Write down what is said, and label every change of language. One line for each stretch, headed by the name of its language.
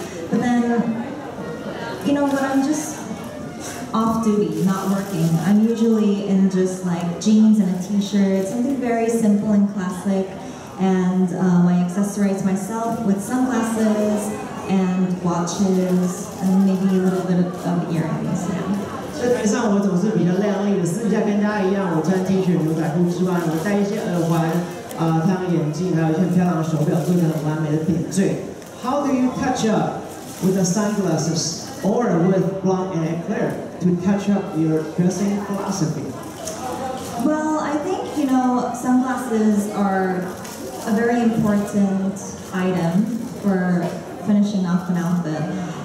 English: But then, you know, when I'm just off duty, not working, I'm usually in just like jeans and a t-shirt, something very simple and classic. And I accessorize myself with sunglasses and watches and maybe a little bit of earrings. Yeah.
Chinese: 在台上我总是比较亮丽的，私下跟大家一样，我穿 T 恤、牛仔裤之外，我戴一些耳环、太阳眼镜，还有一些漂亮的手表，做成很完美的点缀。
English: How do you catch up with the sunglasses or with Blanc and Eclair to catch up your dressing philosophy? Well, I think you know sunglasses are a very important item for finishing off an outfit.